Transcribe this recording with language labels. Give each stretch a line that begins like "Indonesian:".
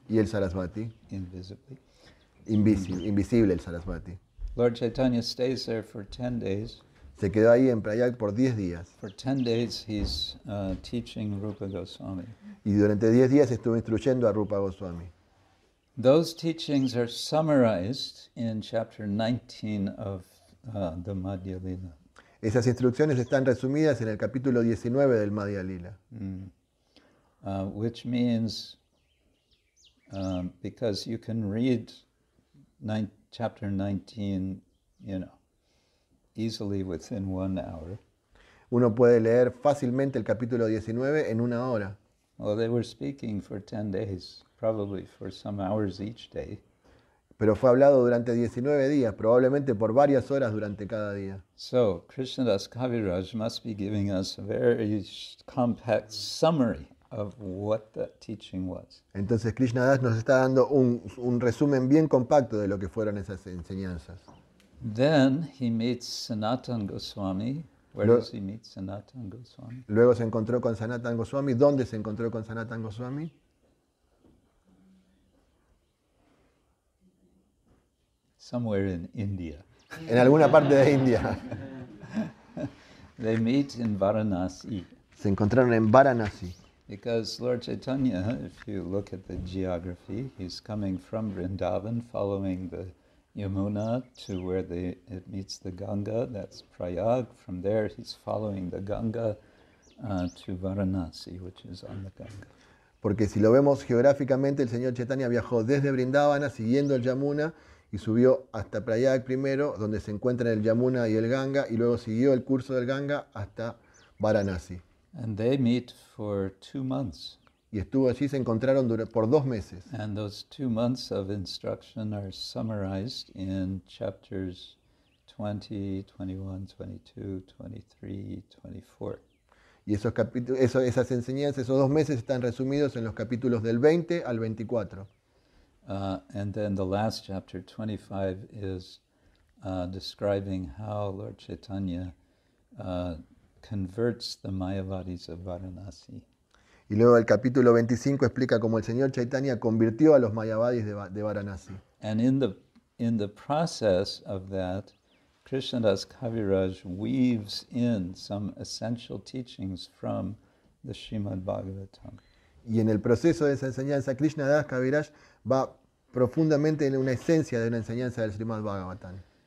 Spanish: Y el Saraswati.
English: Invisibly.
Spanish: Invisible el Saraswati.
English: Lord Chaitanya stays there for 10 days.
Spanish: Se quedó ahí en Prayag por 10 días.
English: For 10 days he's teaching Rupa Goswami.
Spanish: Y durante 10 días estuvo instruyendo a Rupa Goswami.
English: Those teachings are summarized in chapter 19 of the Madhya Lila.
Spanish: Esas instrucciones están resumidas en el capítulo 19 del Madhya Lila.
English: Which means because you can read chapter 19, you know, easily within 1 hour.
Spanish: Uno puede leer fácilmente el capítulo 19 en una hora.
English: Well, they were speaking for 10 days. Probably for some hours each day.
Spanish: Pero fue hablado durante 19 días, probablemente por varias horas durante cada día.
English: So, Krishnadas Kaviraj must be giving us a very compact summary of what that teaching was.
Spanish: Entonces, Krishnadas nos está dando un resumen bien compacto de lo que fueron esas enseñanzas.
English: Then he meets Sanatan Goswami. Where does he meet Sanatan Goswami?
Spanish: Luego se encontró con Sanatan Goswami. ¿Dónde se encontró con Sanatan Goswami?
English: Somewhere in India.
Spanish: En alguna parte de India.
English: They meet in Varanasi.
Spanish: Se encontraron en Varanasi.
English: Because Lord Chaitanya, if you look at the geography, he's coming from Vrindavan, following the Yamuna to where it meets the Ganga, that's Prayag. From there, he's following the Ganga to Varanasi, which is on the Ganga.
Spanish: Porque si lo vemos geográficamente, el señor Chaitanya viajó desde Vrindavana siguiendo el Yamuna, y subió hasta Prayag primero, donde se encuentran el Yamuna y el Ganga, y luego siguió el curso del Ganga hasta Varanasi.
English: And they meet for 2 months.
Spanish: Y estuvo allí, se encontraron por 2 meses.
English: And those 2 months of instruction are summarized in chapters 20, 21, 22, 23, 24.
Spanish: Y esas enseñanzas, esos 2 meses, están resumidos en los capítulos del 20 al 24.
English: And then the last chapter, 25, is describing how Lord Chaitanya converts the Mayavadis of Varanasi.
Spanish: Y luego el capítulo 25 explica cómo el señor Chaitanya convirtió a los Mayavadis de Varanasi.
English: And in the process of that, Krishnadas Kaviraj weaves in some essential teachings from the Srimad Bhagavatam.
Spanish: Y en el proceso de esa enseñanza, Krishnadas Kaviraj va profundamente en una esencia de una enseñanza del Srimad Bhagavatam.